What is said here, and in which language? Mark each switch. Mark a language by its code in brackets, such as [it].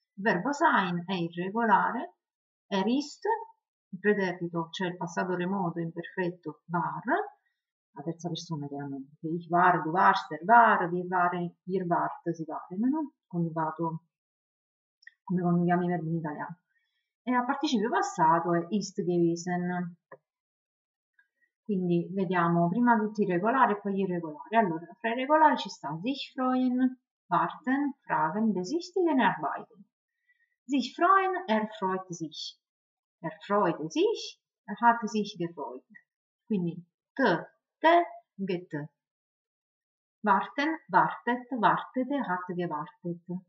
[it] Il verbo sein è irregolare, è ist, il pretérito, cioè il passato remoto imperfetto, war, la terza persona chiaramente, [de] ich war, du warst, er war, wir waren, ihr wart, [it] si parlano, coniugato come coniughiamo i verbi in italiano. E a participio passato è [de] ist gewesen. [it] Quindi vediamo prima tutti i regolari e poi gli irregolari. Allora, fra i regolari ci sta sich freuen, warten, fragen, besichtigen, arbeiten. [de] Sich freuen, er freut sich. Er freute sich, er hat sich gefreut. Quindi, te, get. Warten, wartet, wartete, hat gewartet.